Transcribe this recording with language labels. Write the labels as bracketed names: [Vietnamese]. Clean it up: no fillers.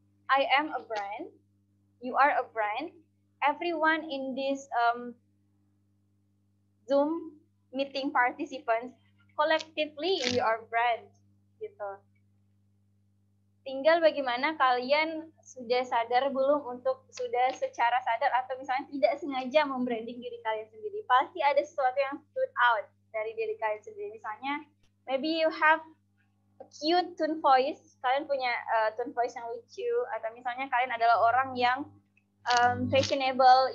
[English] I am a brand, you are a brand, everyone in this Zoom meeting participants, collectively you are brand, [Indonesian] gitu. Tinggal bagaimana kalian sudah sadar belum untuk sudah secara sadar atau misalnya tidak sengaja membranding diri kalian sendiri. Pasti ada sesuatu yang [English] stood out [Indonesian] dari diri kalian sendiri. Misalnya, [English] maybe you have a cute tone voice. [Indonesian] Kalian punya tone voice yang lucu. Atau misalnya kalian adalah orang yang fashionable.